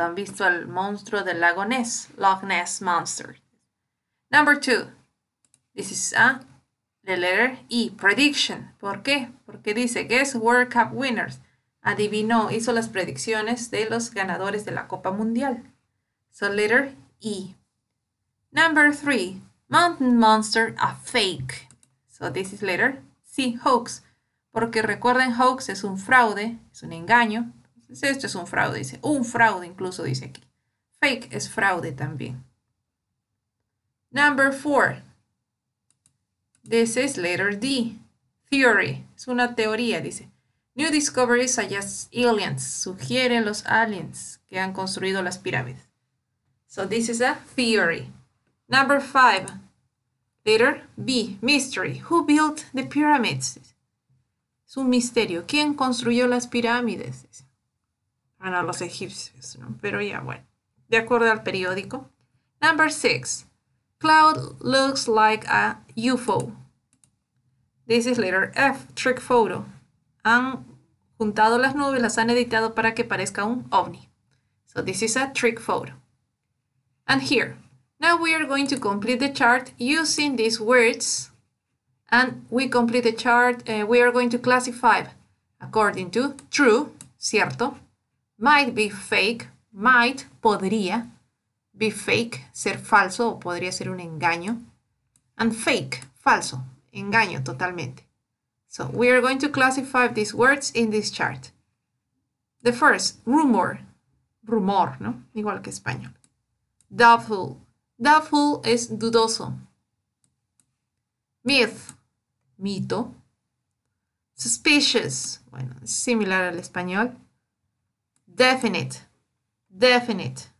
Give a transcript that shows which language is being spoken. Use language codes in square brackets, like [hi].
[es] ¿Han visto el monstruo del lago Ness? [en] Loch Ness Monster. Number two, this is a the letter E, prediction. [es] ¿Por qué? Porque dice [en] Guess World Cup winners. [es] Adivinó, hizo las predicciones de los ganadores de la Copa Mundial. [en] So, letter E. Number three, mountain monster, a fake. So, this is letter C, hoax. [es] Porque recuerden, hoax es un fraude, es un engaño. Entonces, esto es un fraude, dice. Un fraude, incluso dice aquí. Fake es fraude también. [en] Number four, this is letter D, theory. [es] Es una teoría, dice. [en] New discoveries suggest aliens. [es] Sugieren los aliens que han construido las pirámides. [en] So, this is a theory. Number five, letter B, mystery. Who built the pyramids? [es] Es un misterio. ¿Quién construyó las pirámides? Bueno, los egipcios, ¿no? Pero ya, bueno. De acuerdo al periódico. [en] Number six, cloud looks like a UFO. This is letter F, trick photo. [es] Han juntado las nubes, las han editado para que parezca un ovni. [en] So, this is a trick photo. And here, now we are going to complete the chart using these words. And we complete the chart, we are going to classify according to true, cierto, might be fake, might, podría, be fake, [es] ser falso o podría ser un engaño. [en] And fake, [es] falso, engaño totalmente. [en] So we are going to classify these words in this chart. The first, rumor, rumor, ¿no? [es] Igual que español. Doubtful. Doubtful es dudoso. Myth. Mito. [en] Suspicious. [es] Bueno, es similar al español. Definite. Definite.